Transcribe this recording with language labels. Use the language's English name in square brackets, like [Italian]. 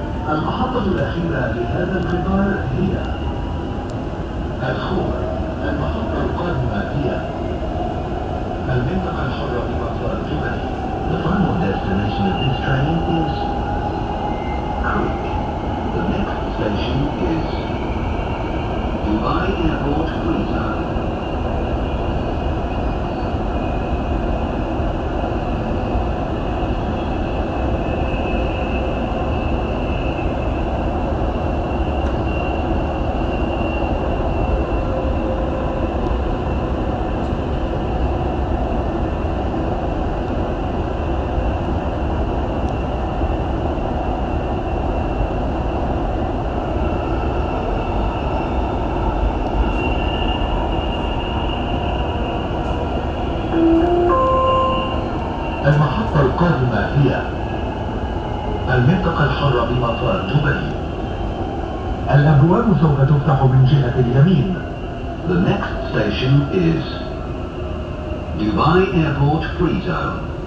[Arabic] المحطة الأخيرة لهذا القطار هي الخور. المحطة القادمة هي المنطقة الحرة بمطار الجبل. [English] The final destination of this train is Creek. The next station is Dubai Airport Freezer. [Arabic] المحطة القادمة هي المنطقة الحرة بمطار دبي. الأبواب سوف تفتح من جهة اليمين. [English] The next station is Dubai Airport Free Zone.